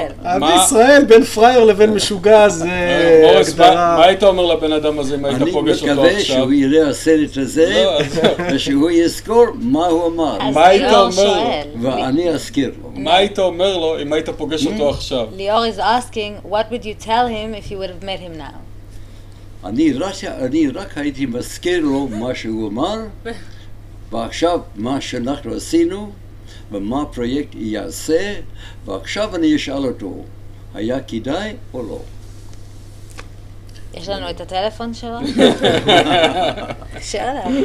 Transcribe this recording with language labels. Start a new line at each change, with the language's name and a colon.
Hebrew: אבי ישראל, בין פרייר לבין משוגע זה... מורס, מה היית אומר לבן אדם הזה אם היית פוגש אותו עכשיו? אני מקווה שהוא יראה הסרט הזה, ושהוא יזכור מה הוא אמר. אז ליאור שואל. ואני אזכיר לו. מה היית אומר לו אם היית פוגש אותו עכשיו?
English: ליאור is asking, what would you tell him if you would have met him now?
Hebrew: אני רק הייתי מזכיר לו מה שהוא אמר, ועכשיו מה שאנחנו עשינו, ומה הפרויקט יעשה, ועכשיו אני אשאל אותו, היה כדאי או לא? יש לנו את הטלפון שלו? שאלה.